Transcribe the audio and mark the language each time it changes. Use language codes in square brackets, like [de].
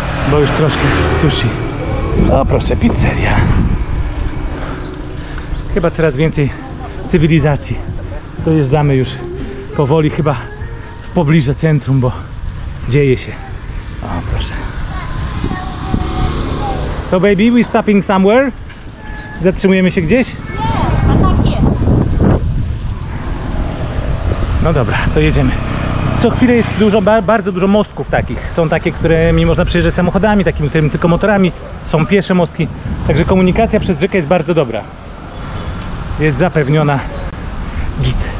[pl] Bo już troszkę sushi. O proszę, pizzeria. Chyba coraz więcej cywilizacji. Dojeżdżamy już powoli, chyba w pobliże centrum, bo dzieje się. O, proszę. [en] So baby, we stopping somewhere? [pl] Zatrzymujemy się gdzieś? Nie, a tak jest. No dobra, to jedziemy. Co chwilę jest dużo, bardzo dużo mostków takich. Są takie, którymi można przejeżdżać samochodami, takimi, którymi tylko motorami. Są piesze mostki, także komunikacja przez rzekę jest bardzo dobra. Jest zapewniona git.